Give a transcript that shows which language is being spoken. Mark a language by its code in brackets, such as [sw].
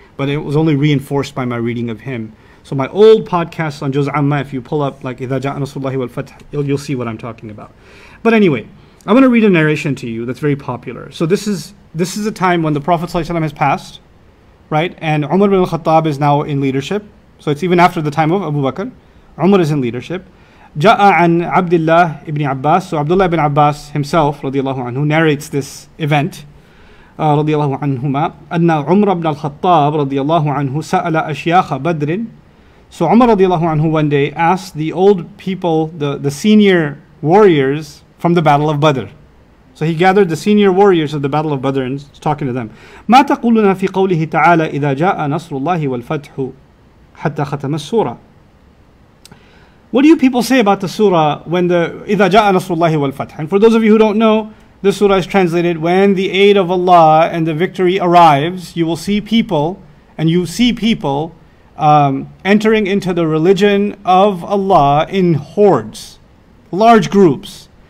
[en] But it was only reinforced by my reading of him. So my old podcast on Juz Amma, if you pull up like [ar] إِذَا جَاءَ نَصْرُ اللَّهِ وَالْفَتْحِ, [en] you'll see what I'm talking about. But anyway, I'm going to read a narration to you that's very popular. So this is a time when the Prophet ﷺ has passed, right? And Umar ibn al-Khattab is now in leadership. So it's even after the time of Abu Bakr. Umar is in leadership. [ar] جَاءَ عَنْ عَبْدِ اللَّهِ ibn Abbas. [en] So Abdullah ibn Abbas himself, radiallahu anhu, narrates this event. [ar] رضي الله عنهما أن عمر بن الخطاب رضي الله عنه سأل أشياخ بدر. [en] So عمر [ar] رضي الله عنه [en] one day asked the old people, the senior warriors from the battle of Badr. So he gathered the senior warriors of the battle of Badr and was talking to them. [ar] ما تقولنا في قوله تعالى إذا جاء نصر الله والفتح حتى ختم السورة. [en] What do you people say about the surah when the [ar] إذا جاء نصر الله والفتح? [en] And for those of you who don't know, this surah is translated, when the aid of Allah and the victory arrives, you will see people, and you see people entering into the religion of Allah in hordes, large groups.